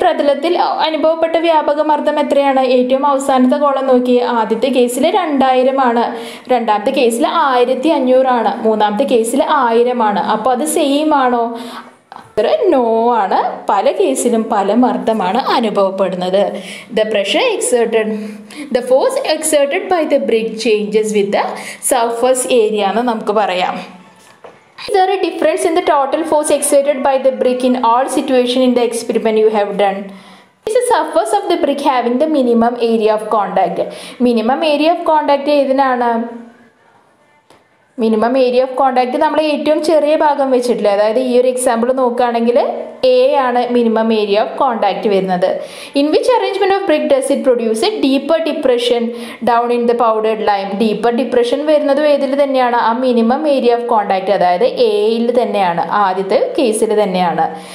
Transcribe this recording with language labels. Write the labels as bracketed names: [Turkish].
[Malayalam] പ്രതലത്തിൽ അനുഭവപ്പെട്ട വ്യാപക മർദ്ദം എത്രയാണ്? ഏറ്റവും അവസാനത്തെ കോളം നോക്കി, ആദ്യത്തെ കേസിൽ 2000 ആണ്, രണ്ടാമത്തെ കേസിൽ 1500 ആണ്, മൂന്നാമത്തെ കേസിൽ 1000 ആണ്. അപ്പോൾ അത് സെയിം ആണോ? നോ ആണ്. പല കേസിലും പല മർദ്ദമാണ് അനുഭവപ്പെടുന്നത്. [English] the pressure exerted the force exerted by the brick changes with the surface area [Malayalam] എന്ന് നമുക്ക് പറയാം. [English] Is there a difference in the total force exerted by the brick in all situation in the experiment you have done? Is the surface of the brick having the minimum area of contact? Minimum area of contact [Malayalam] edinana? Minimum area of contact നമ്മൾ ഏറ്റവും ചെറിയ ഭാഗം വെച്ചിട്ടില്ല. അതായത് ഈ ഒരു example നോക്കുകയാണെങ്കിൽ A ആണ് മിനിമം ഏരിയ ഓഫ് കോണ്ടാക്ട് വരുന്നത്. [English] In which arrangement of brick does it produce a deeper depression down in the powdered lime? [Malayalam] Deeper depression വരുന്നതും ഏതിൽ തന്നെയാണ്? ആ മിനിമം ഏരിയ ഓഫ് കോണ്ടാക്ട്, അതായത് എയിൽ തന്നെയാണ്, ആദ്യത്തെ കേസിൽ തന്നെയാണ്.